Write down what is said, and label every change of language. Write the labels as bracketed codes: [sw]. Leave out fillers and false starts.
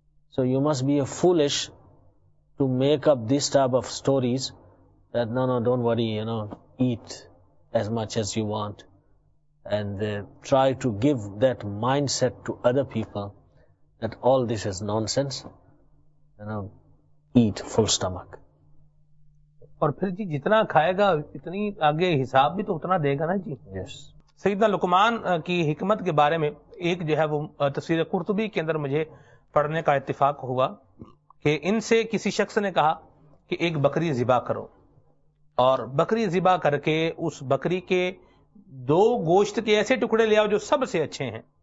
[en] So you must be a foolish to make up this type of stories that, no, don't worry, you know, eat as much as you want. And try to give that mindset to other people that all this is nonsense. You know, eat full stomach. [ur] اور پھر جی جتنا کھائے گا اتنی آگے حساب بھی تو اتنا دے گا نا جی. [en] Yes. [ur] سیدنا لقمان کی حکمت کے بارے میں ایک جو ہے وہ تفسیر قرطبی کے اندر مجھے پڑھنے کا اتفاق ہوا کہ ان سے کسی شخص نے کہا کہ ایک بکری ذبح کرو, اور بکری ذبح کر کے اس بکری کے دو گوشت کے ایسے ٹکڑے لے آؤ جو سب سے اچھے ہیں.